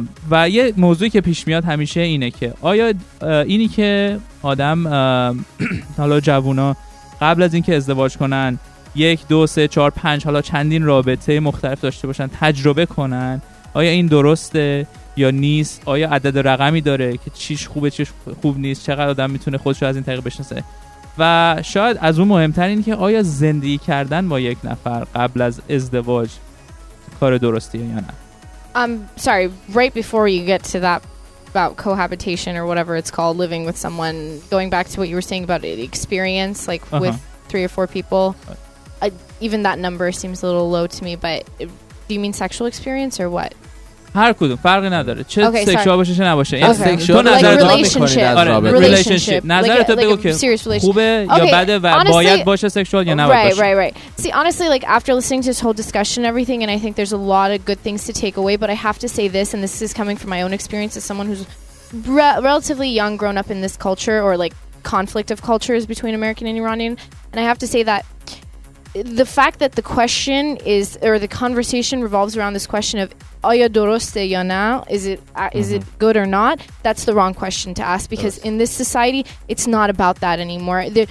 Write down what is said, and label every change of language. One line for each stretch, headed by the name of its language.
Persian: و یه موضوعی که پیش میاد همیشه اینه که آیا اینی که آدم حالا جوونا قبل از اینکه ازدواج کنن 1, 2, 3, 4, 5 حالا چندین رابطه مختلف داشته باشن تجربه کنن، آیا این درسته یا نیست؟ آیا عدد رقمی داره که چیش خوبه چیش خوب نیست؟ چقدر آدم میتونه خودشو از این طریق بشناسه؟ و شاید از اون مهمتر این که آیا زندگی کردن با یک نفر قبل از ازدواج کار درستیه یا نه.
English: I'm sorry, right before you get to that about cohabitation or whatever it's called, living with someone, going back to what you were saying about the experience, like with three or four people, even that number seems a little low to me, but do you mean sexual experience or what?
Persian: هر کدوم فرقی نداره، چه سکشوال باشه چه نباشه. این سکشوال نظر تو میکنی در رابطه ریلیشنشیپ، نظر تو بگو که خوبه یا بده و باید باشه سکشوال یا نباید باشه.
English: Right. See, honestly, like after listening to this whole discussion and everything, and I think there's a lot of good things to take away, but I have to say this, and this is coming from my own experience as someone who's relatively young, grown up in this culture or like conflict of cultures between American and Iranian, and I have to say that the fact that the question is or the conversation revolves around this question of
Persian: آیا درسته یا نه،
English: is it good or not, that's the wrong question to ask, because in this society it's not about that anymore.